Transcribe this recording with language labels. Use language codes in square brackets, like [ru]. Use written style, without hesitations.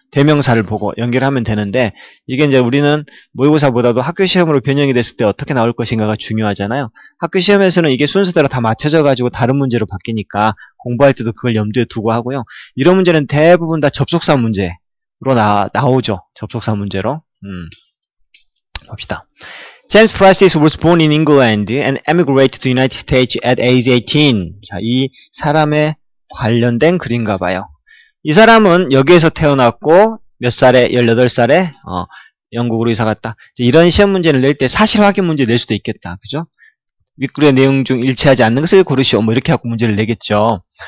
[ko] 대명사를 보고 연결하면 되는데, 이게 이제 우리는 모의고사보다도 학교 시험으로 변형이 됐을 때 어떻게 나올 것인가가 중요하잖아요. 학교 시험에서는 이게 순서대로 다 맞춰져가지고 다른 문제로 바뀌니까 공부할 때도 그걸 염두에 두고 하고요. 이런 문제는 대부분 다 접속사 문제로 나오죠. 접속사 문제로. 봅시다. [en] James Prestes was born in England and emigrated to the United States at age 18. [ko] 자, 이 사람에 관련된 글인가 봐요. 이 사람은 여기에서 태어났고, 몇 살에, 18살에, 영국으로 이사 갔다. 이런 시험 문제를 낼 때 사실 확인 문제 낼 수도 있겠다. 그죠? 윗글의 내용 중 일치하지 않는 것을 고르시오. 뭐 이렇게 하고 문제를 내겠죠.